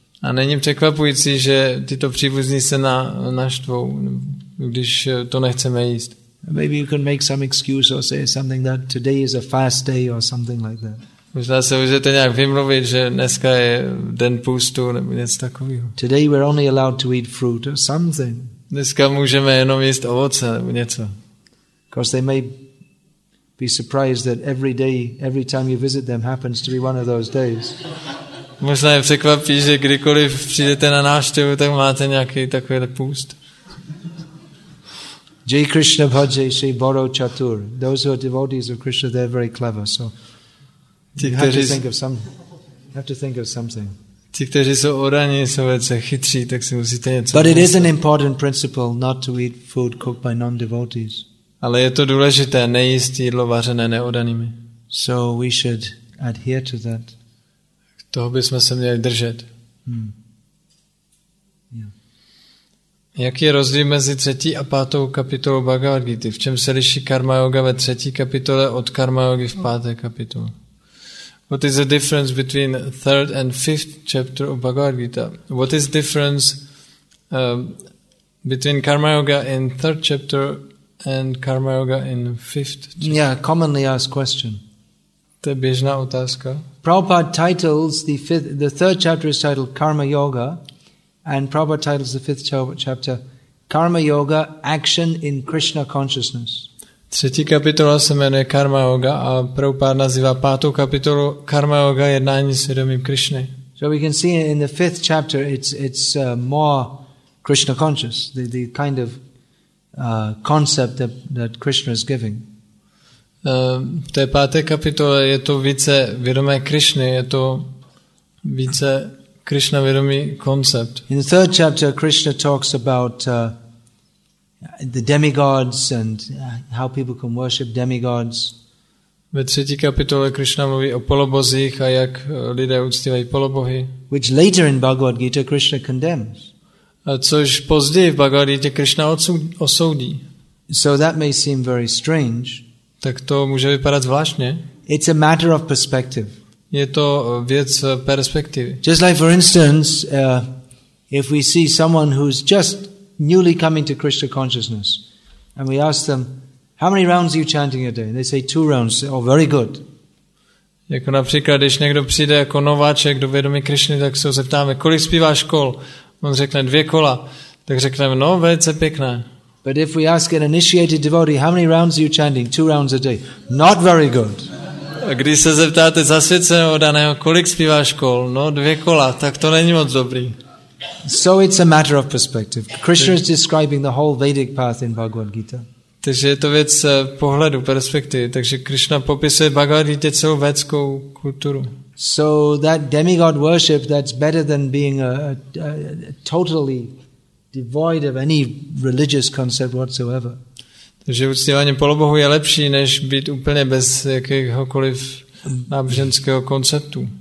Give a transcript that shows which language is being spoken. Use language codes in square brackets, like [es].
[cs] A není překvapující, že tyto příbuzní se naštvou, když to nechceme jíst. [en] Maybe you can make some excuse or say something that today is a fast day or something like that. [cs] Možná se můžete nějak vymluvit, že dneska je den půstu nebo něco takového. [en] Today we're only allowed to eat fruit or something. [cs] Dneska můžeme jenom jíst ovoce nebo něco. [en] Because they may be surprised that every day, every time you visit them, happens to be one of those days. [cs] Možná je překvapí, že kdykoliv přijdete na návštěvu, tak máte nějaký takový půst. [bn] Jai Krishna Bhajai Shri Boro Chatur. [en] Those who are devotees of Krishna, they're very clever. So you have to think of something. [cs] Ti, kteří jsou odaní, jsou velice chytří, tak si musíte něco [en] But it is an important principle not to eat food cooked by non-devotees. [cs] Ale je to důležité nejíst jídlo vařené neodanými. [en] So we should adhere to that. [cs] Toho bychom se měli držet. [en] Yeah. [cs] Jaký je rozdíl mezi třetí a pátou kapitolou Bhagavad Gita? V čem se liší karma yoga ve třetí kapitole od karma yogi v páté kapitole? [en] What is the difference between third and fifth chapter of Bhagavad Gita? What is difference between karma yoga in third chapter and karma yoga in fifth chapter? Yeah, commonly asked question. [cs] To je běžná otázka. [en] Prabhupada titles the third chapter is titled Karma Yoga, and Prabhupada titles the fifth chapter Karma Yoga, Action in Krishna Consciousness. [cs] Třetí kapitola se jmenuje Karma Yoga a Prabhupada nazývá pátou kapitolu Karma Yoga, jednání s vědomím Krišny. [en] So we can see in the fifth chapter it's more Krishna conscious, the kind of concept that Krishna is giving. [cs] V té páté kapitole je to více vědomé Krišny, je to více Krišna vědomý koncept. [en] In the third chapter Krishna talks about the demigods and how people can worship demigods. [cs] Ve třetí kapitole Krishna mluví o polobozích a jak lidé uctívají polobohy. [en] Which later in Bhagavad Gita Krishna condemns. [cs] A což později v Bhagavad Gita Krishna osoudí. [en] So that may seem very strange. [cs] Tak to může vypadat zvláštně. [en] It's a matter of perspective. [cs] Je to věc perspektivy. [en] Just like for instance, if we see someone who's just newly coming to Krishna consciousness, and we ask them, how many rounds are you chanting a day? And they say, 2 rounds. Oh, very good. [cs] Jako například, když někdo přijde jako nováček do vědomí Krišny, tak se ho zeptáme, kolik zpíváš kol? On řekne, 2 kola. Tak řekneme, no, velice pěkné. [en] But if we ask an initiated devotee, how many rounds are you chanting? 2 rounds a day. Not very good. [cs] A když se zeptáte zasvěceného daného, kolik zpíváš kol? No, 2 kola. Tak to není moc dobrý. [en] So it's a matter of perspective. Krishna is describing the whole Vedic path in Bhagavad Gita. [cs] Takže je to věc pohledu, perspektivy. Takže Krishna popisuje Bhagavad Gita celou védskou kulturu. [en] So that demigod worship, that's better than being a totally devoid of any religious concept whatsoever. [cs] Takže uctívání polobohu je lepší, než být úplně bez jakéhokoliv náboženského konceptu.